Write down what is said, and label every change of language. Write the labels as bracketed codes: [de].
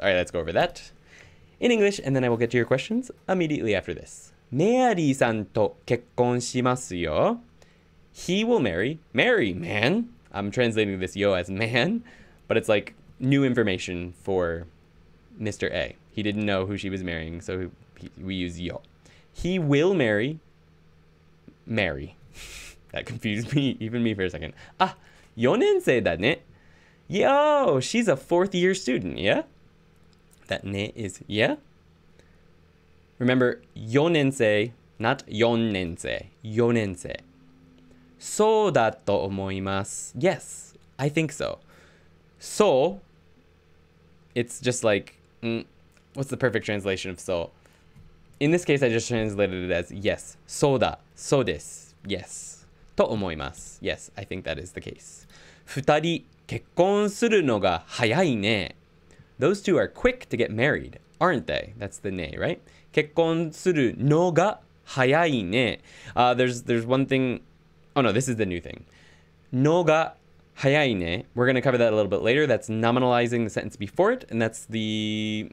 [en] All right, let's go over that in English and then I will get to your questions immediately after this. [ja] メアリーさんと結婚しますよ。 [en] He will marry. Marry, man. I'm translating this yo as man. But it's like new information for Mr. A. He didn't know who she was marrying, so we use yo. He will marry. Mary. That confused me, even me for a second. [ja] Ah, 4年生だね. [en] Yo, she's a fourth year student, yeah? That ne is yeah? Remember, 4年生, not 4年生.4年生. [ja] そうだと思います. [en] Yes, I think so. So, it's just like, What's the perfect translation of so? In this case, I just translated it as yes. [ja] そうだ。そうです。 [en] Yes. [ja] と思います。 [en] Yes, I think that is the case. [ja] 二人結婚するのが早いね。 [en] Those two are quick to get married, aren't they? That's the ne, right? [ja] 結婚するのが早いね。 [en] There's one thing... Oh no, this is the new thing. [ja] のが早いね。 [en] We're going to cover that a little bit later. That's nominalizing the sentence before it. And that's the...